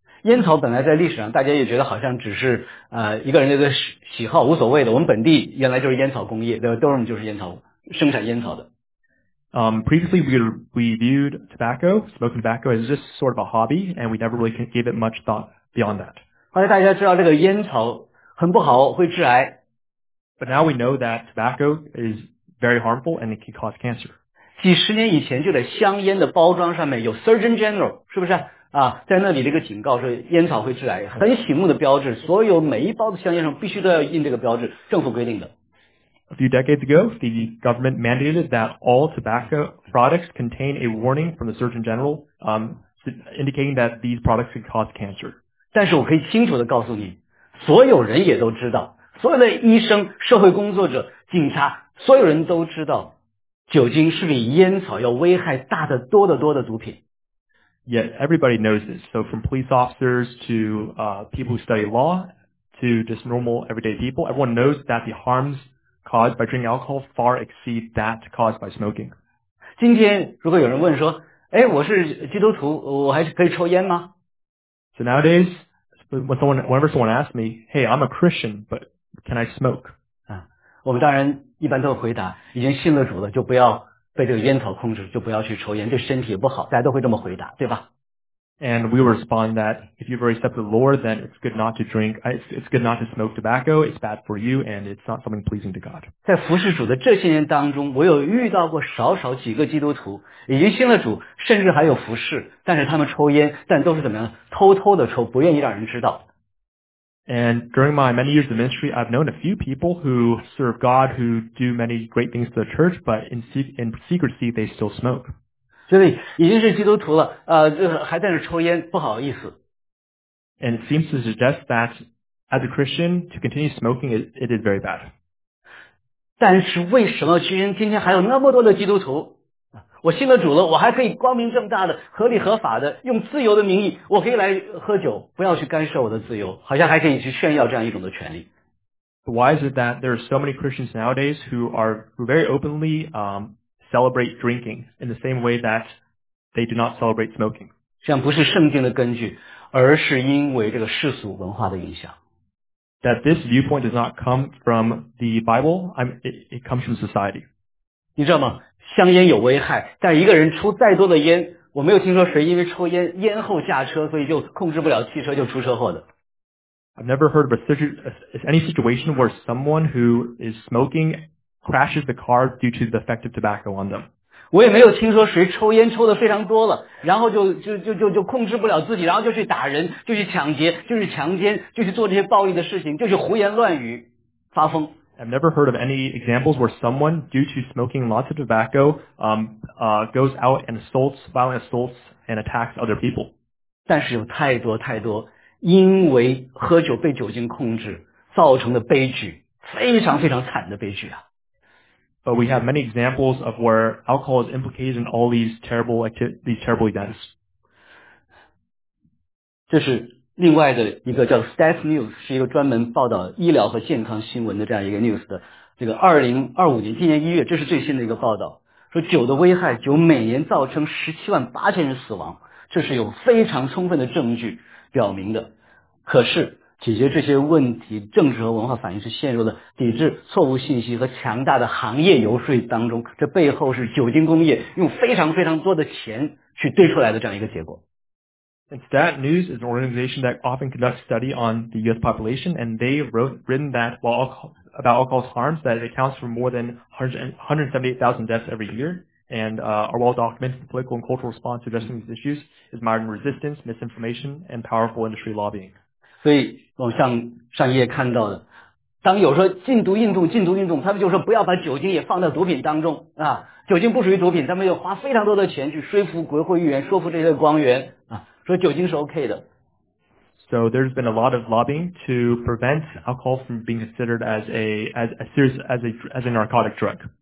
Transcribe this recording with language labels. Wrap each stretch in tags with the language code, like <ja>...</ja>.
<zh>烟草本来在历史上大家也觉得好像只是一个人的喜好无所谓的。我们本地原来就是烟草工业，对吧？多伦就是烟草生产烟草的。</zh> <en>Previously, we viewed tobacco, smoking tobacco, as just sort of a hobby, and we never really gave it much thought beyond that.</en> <zh>后来大家知道这个烟草很不好，会致癌。</zh> <en>But now we know that tobacco is very harmful and it can cause cancer.</en> <zh>几十年以前就在香烟的包装上面有 Surgeon General, 是不是？在那里这个警告说烟草会致癌，很醒目的标志，所有每一包的香烟上必须都要印这个标志，政府规定的。</zh> <en>A few decades ago, the government mandated that all tobacco products contain a warning from the Surgeon General, indicating that these products can cause cancer.</en> <zh>但是我可以清楚地告诉你，所有人也都知道，所有的医生、社会工作者、警察，所有人都知道，酒精是比烟草要危害大得多得多的毒品。</zh> <en>Yet everybody knows this. So from police officers to people who study law to just normal everyday people, everyone knows that the harms caused by drinking alcohol far exceed that caused by smoking.</en> <zh>今天如果有人问说，哎，我是基督徒，我还是可以抽烟吗？</zh> <en>So nowadays, whenever someone asks me, hey, I'm a Christian, but can I smoke?</en> <zh>我们当然一般都回答，已经信了主了，就不要被这个烟草控制，就不要去抽烟，对身体也不好，大家都会这么回答，对吧？</zh> <en>And we respond that if you've already accepted the Lord, then it's good not to drink, it's good not to smoke tobacco, it's bad for you, and it's not something pleasing to God.</en> <zh>在服侍主的这些年当中，我有遇到过少少几个基督徒，已经信了主，甚至还有服侍，但是他们抽烟，但都是怎么样，偷偷的抽，不愿意让人知道。</zh> <en>And during my many years of ministry, I've known a few people who serve God, who do many great things to the church, but in secrecy, they still smoke.</en> <zh>所以已经是基督徒了，还在那抽烟，不好意思。</zh> <en>And it seems to suggest that as a Christian, to continue smoking, it is very bad.</en> <zh>但是为什么居然今天还有那么多的基督徒？我信了主了，我还可以光明正大的、合理合法的、用自由的名义，我可以来喝酒，不要去干涉我的自由，好像还可以去炫耀这样一种的权利。</zh> <en>Why is it that there are so many Christians nowadays who are very openly celebrate drinking in the same way that they do not celebrate smoking?</en> <zh>这样不是圣经的根据，而是因为这个世俗文化的影响。</zh> <en>That this viewpoint does not come from the Bible, it comes from society.</en> <zh>你知道吗？香烟有危害，但一个人抽再多的烟，我没有听说谁因为抽烟烟后驾车，所以就控制不了汽车就出车祸的。</zh> <en>I've never heard of any situation where someone who is smoking crashes the car due to the effect of tobacco on them.</en> <zh>我也没有听说谁抽烟抽的非常多了，然后就控制不了自己，然后就去打人，就去抢劫，就去强奸，就去做这些暴力的事情，就去胡言乱语，发疯。</zh> <en>I've never heard of any examples where someone, due to smoking lots of tobacco, goes out and assaults, violent assaults, and attacks other people.</en> <zh>但是有太多太多因为喝酒被酒精控制造成的悲剧，非常非常惨的悲剧啊。</zh> <en>But we have many examples of where alcohol is implicated in all these terrible events.</en> <zh>这是另外的一个叫 Stats News， 是一个专门报道医疗和健康新闻的这样一个 news 的，这个2025年今年1月，这是最新的一个报道，说酒的危害，酒每年造成17万8千人死亡，这是有非常充分的证据表明的。可是解决这些问题，政治和文化反应是陷入了抵制错误信息和强大的行业游说当中，这背后是酒精工业用非常非常多的钱去堆出来的这样一个结果。</zh> <en>And Stat News is an organization that often conducts study on the U.S. population, and they written that about alcohol's harms, that it accounts for more than 178,000 deaths every year, and our well-documented political and cultural response to addressing these issues is modern resistance, misinformation, and powerful industry lobbying.</en> <zh>所以我像上一页看到的，当有说禁毒运动，禁毒运动，他们就说不要把酒精也放在毒品当中啊，酒精不属于毒品，他们又花非常多的钱去说服国会议员，说服这些官员啊。说酒精是 OK 的。</zh> <en>So there's been a lot of lobbying to prevent alcohol from being considered as a serious as a narcotic drug.</en>